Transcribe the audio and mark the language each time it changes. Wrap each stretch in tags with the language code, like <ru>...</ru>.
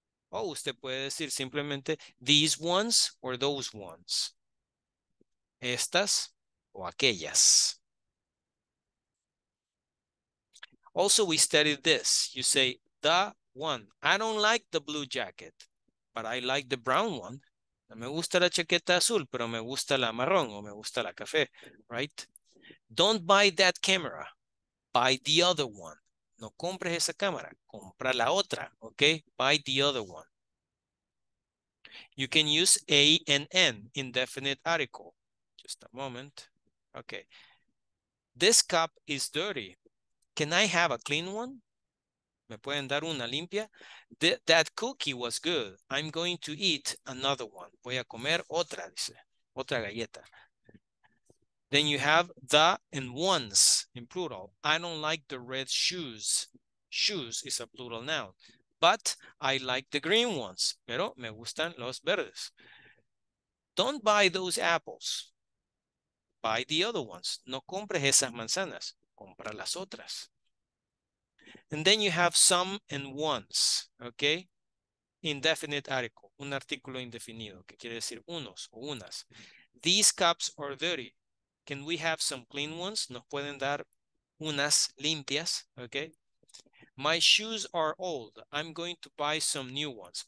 <es>O usted puede decir simplemente</es> <en>these ones or those ones.</en> <es>Estas o aquellas.</es> <en>Also, we studied this. You say, the one. I don't like the blue jacket, but I like the brown one.</en> <es>No me gusta la chaqueta azul, pero me gusta la marrón o me gusta la café, right?</es> <en>Don't buy that camera. Buy the other one.</en> <es>No compres esa cámara. Compra la otra, okay?</es> <en>Buy the other one. You can use A and N, indefinite article. Just a moment. Okay. This cup is dirty. Can I have a clean one?</en> <es>¿Me pueden dar una limpia?</es> <en>That cookie was good. I'm going to eat another one.</en> <es>Voy a comer otra, dice. Otra galleta.</es> <en>Then you have the and once in plural. I don't like the red shoes. Shoes is a plural noun. But I like the green ones.</en> <es>Pero me gustan los verdes.</es> <en>Don't buy those apples. buy the other ones.</en> <es>No compres esas manzanas, compra las otras.</es> <en>And then you have some and ones, okay? Indefinite article,</en> <es>un artículo indefinido, que quiere decir unos o unas.</es> <en>These cups are dirty. Can we have some clean ones?</en> <es>Nos pueden dar unas limpias, okay?</es> <en>My shoes are old. I'm going to buy some new ones.</en>